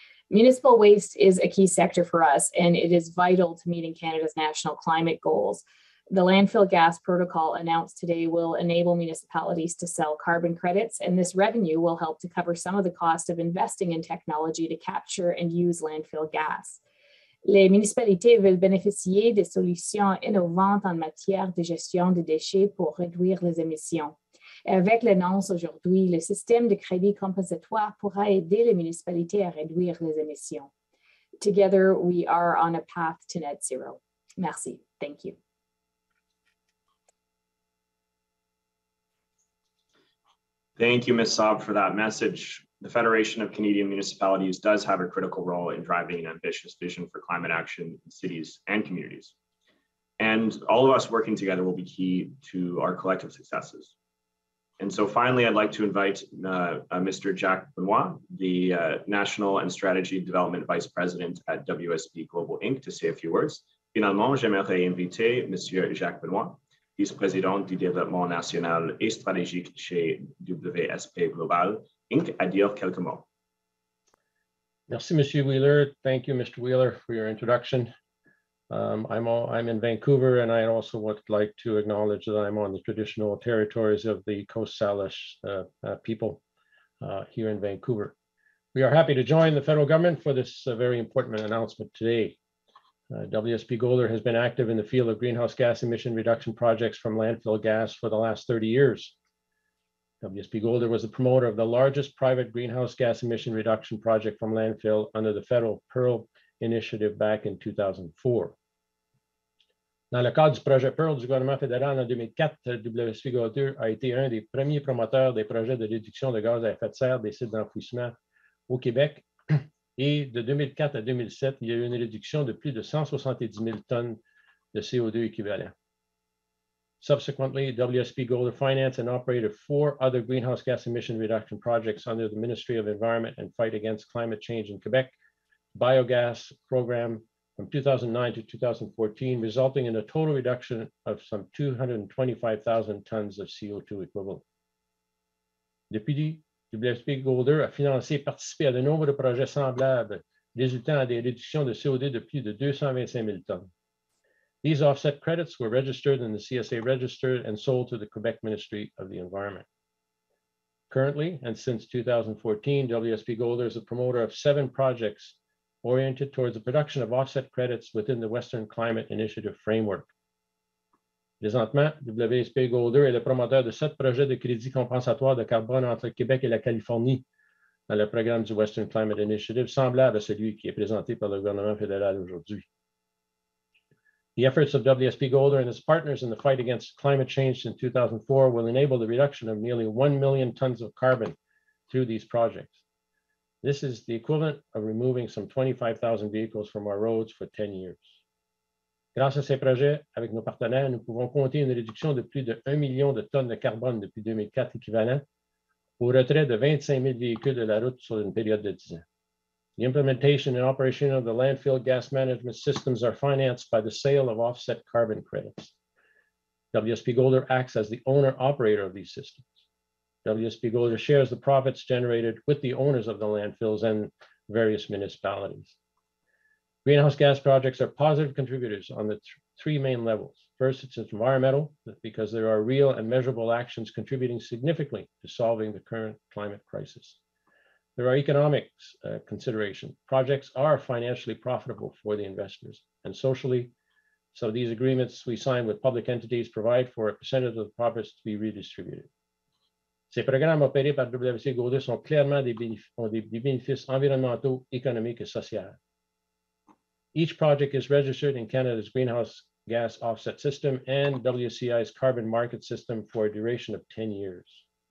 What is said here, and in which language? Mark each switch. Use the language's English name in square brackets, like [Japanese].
[English] Municipal waste is a key sector for us, and it is vital to meeting Canada's national climate goals. The landfill gas protocol announced today will enable municipalities to sell carbon credits, and this revenue will help to cover some of the cost of investing in technology to capture and use landfill gas. [French] Les municipalités veulent bénéficier des solutions innovantes en matière de gestion des déchets pour réduire les émissions. Avec l'annonce aujourd'hui, le système de crédit compensatoire pourra aider les municipalités à réduire les émissions. [English] Together, we are on a path to net zero. [French] Merci. [English] Thank you. Thank you, Ms. Saab, for that message. The Federation of Canadian Municipalities does have a critical role in driving an ambitious vision for climate action in cities and communities. And all of us working together will be key to our collective successes. And so finally, I'd like to invite Mr. Jacques Benoit, the National and Strategy Development Vice President at WSP Global Inc. to say a few words. [French] Finalement, j'aimerais inviter Monsieur Jacques Benoit, Vice-Président du Développement National et Stratégique chez WSP Global Inc. à dire quelques mots. Merci, Monsieur Weiler. [English] Thank you, Mr. Weiler, for your introduction. I'm in Vancouver, and I also would like to acknowledge that I'm on the traditional territories of the Coast Salish people here in Vancouver. We are happy to join the federal government for this very important announcement today. WSP Golder has been active in the field of greenhouse gas emission reduction projects from landfill gas for the last 30 years. WSP Golder was the promoter of the largest private greenhouse gas emission reduction project from landfill under the federal Pearl Initiative back in 2004. [French] Dans le cadre du projet Pearl du gouvernement fédéral en 2004, WSP Golder a été un des premiers promoteurs des projets de réduction de gaz à effet de serre des sites d'enfouissement au Québec. Et de 2004 à 2007, il y a eu une réduction de plus de 170 000 tonnes de CO2 équivalent. [English] Subsequently, WSP Golder financed and operated four other greenhouse gas emission reduction projects under the Ministry of Environment and Fight Against Climate Change in Quebec, biogas program from 2009 to 2014, resulting in a total reduction of some 225,000 tons of CO2 equivalent. [French] WSP Golder a financé et participé à de nombreux projets semblables résultant à des réductions de CO2 de plus de 225 000 tonnes. [English] These offset credits were registered in the CSA register and sold to the Quebec Ministry of the Environment. Currently, and since 2014, WSP Golder is a promoter of seven projects oriented towards the production of offset credits within the Western Climate Initiative framework. [French] Présentement, WSP Golder est le promoteur de sept projets de crédit compensatoire de carbone entre Québec et la Californie dans le programme du Western Climate Initiative, semblable à celui qui est présenté par le gouvernement fédéral aujourd'hui. [English] The efforts of WSP Golder and its partners in the fight against climate change since 2004 will enable the reduction of nearly 1 million tons of carbon through these projects. This is the equivalent of removing some 25,000 vehicles from our roads for 10 years. [French] Grâce à ces projets, avec nos partenaires, nous pouvons compter une réduction de plus de 1 million de tonnes de carbone depuis 2004 équivalent au retrait de 25 000 véhicules de la route sur une période de 10 ans. [English] The implementation and operation of the landfill gas management systems are financed by the sale of offset carbon credits. WSP Golder acts as the owner-operator of these systems. WSP Golder shares the profits generated with the owners of the landfills and various municipalities. Greenhouse gas projects are positive contributors on the three main levels. First, it's environmental, because there are real and measurable actions contributing significantly to solving the current climate crisis. There are economics considerations. Projects are financially profitable for the investors. And socially, so these agreements we sign with public entities provide for a percentage of the profits to be redistributed. [French] Ces programmes opérés par WSP Golder sont clairement des bénéfices environnementaux, économiques et sociaux. [English] Each project is registered in Canada's greenhouse gas offset system and WCI's carbon market system for a duration of 10 years.